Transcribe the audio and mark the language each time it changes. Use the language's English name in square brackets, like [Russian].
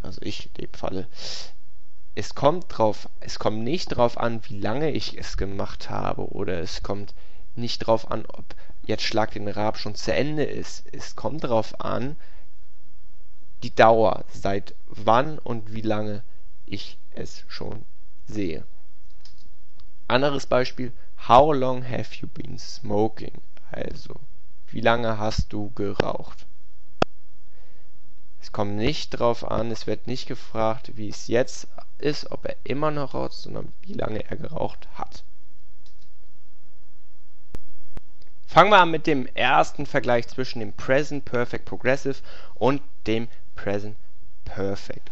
[German] Also ich in dem Falle. Es kommt nicht drauf an, wie lange ich es gemacht habe, oder es kommt nicht drauf an, ob jetzt Schlag den Raab schon zu Ende ist. Es kommt drauf an, die Dauer, seit wann und wie lange ich es schon sehe. Anderes Beispiel, [English] how long have you been smoking? [German] Also, wie lange hast du geraucht? Es kommt nicht drauf an, es wird nicht gefragt, wie es jetzt ist, ob er immer noch raucht, sondern wie lange er geraucht hat. Fangen wir an mit dem ersten Vergleich zwischen dem Present Perfect Progressive und dem Present Perfect.